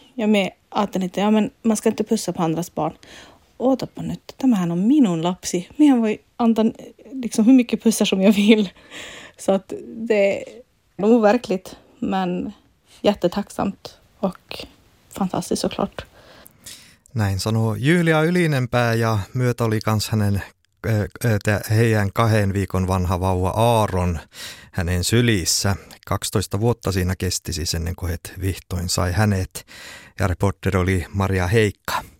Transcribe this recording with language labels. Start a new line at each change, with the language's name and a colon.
Tornedalen Finnish: Ja mä ajattelin, että ja,
Swedish: men man ska inte pussa på andras barn.
Tornedalen Finnish: Ootapa nyt, tämähän on minun lapsi. Mähän voi antaa
Swedish: liksom hur mycket pussar som jag vill. Så att det är overkligt, men jättetacksamt och fantastiskt såklart.
Tornedalen Finnish: Näin sanoo Julia Ylinenpää ja myötä oli kans hänen, heidän 2 viikon vanha vauva Aaron hänen sylissä. 12 vuotta siinä kesti siis ennen kuin vihdoin sai hänet ja reporter oli Maria Heikka.